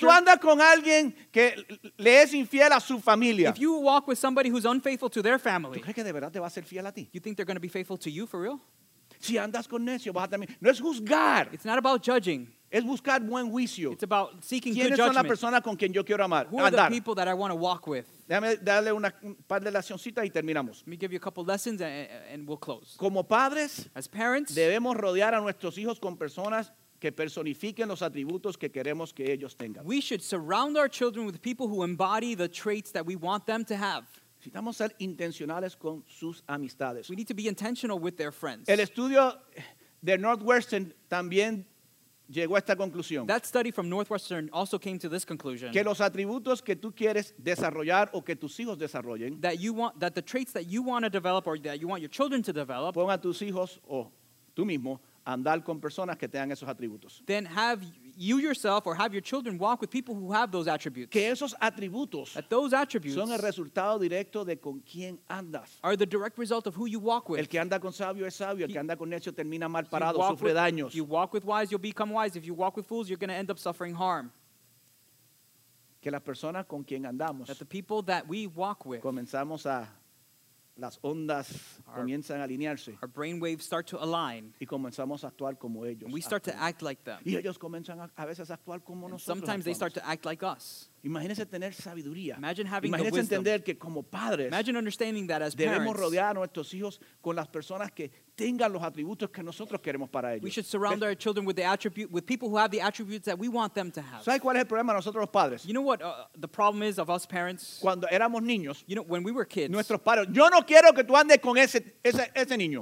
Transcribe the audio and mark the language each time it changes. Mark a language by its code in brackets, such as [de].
[es] Si tú andas con alguien que le es infiel a su familia, [en] if you walk with somebody who's unfaithful to their family, [es] ¿tú crees que de verdad te va a ser fiel a ti? [en] You think they're going to be faithful to you for real? [es] Si andas con necio, vas a terminar. No es juzgar. [en] It's not about judging. [es] Es buscar buen juicio. [en] It's about seeking [es] ¿quiénes [en] good judgment? [es] Son las personas con quien yo quiero amar? [en] Who are [es] andar? [en] The people that I want to walk with? [es] Déjame darle un par de leccioncitas y terminamos. [en] Let me give you a couple lessons and we'll close. [es] Como padres, [en] as parents, [es] debemos rodear a nuestros hijos con personas que personifiquen los atributos que queremos que ellos tengan. [en] We should surround our children with people who embody the traits that we want them to have. [es] Necesitamos ser intencionales con sus amistades. [en] We need to be intentional with their friends. [es] El estudio de Northwestern también llegó a esta conclusión. [en] That study from Northwestern also came to this conclusion. [es] Que los atributos que tú quieres desarrollar o que tus hijos desarrollen. [en] That the traits that you want to develop or that you want your children to develop. [es] Pon a tus hijos o tú mismo andar con personas que tengan esos atributos. [en] Then have you yourself or have your children walk with people who have those attributes. [es] Que esos atributos [en] that those attributes [es] son el resultado directo de con quién andas. [en] Are the direct result of who you walk with. [es] El que anda con sabio es sabio. El que anda con necio termina mal parado, sufre daños. [en] If you walk with wise, you'll become wise. If you walk with fools, you're going to end up suffering harm. [es] Que las personas con quien andamos [en] that the people that we walk with [es] comenzamos a las ondas comienzan a alinearse. [en] Our brain waves start to align. [es] Y comenzamos a actuar como ellos. [en] And we start [es] actuar. [en] To act like them. [es] Y ellos comienzan a veces a actuar como [en] and [es] nosotros. [en] Sometimes They start to act like us. [es] Imagínense tener sabiduría. [en] Imagine having [es] imagínense [en] the wisdom. [es] Entender que como padres. [en] Imagine understanding that as [es] debemos [en] parents. [es] Debemos rodear a nuestros hijos con las personas que tengan los atributos que nosotros queremos para ellos. [en] We should surround our children with the attribute with people who have the attributes that we want them to have. [es] ¿Sabes cuál es el problema de nosotros los padres? [en] You know what the problem is of us parents? [es] Cuando éramos niños, [en] you know, when we were kids, [es] nuestros padres, yo no quiero que tú andes con ese niño.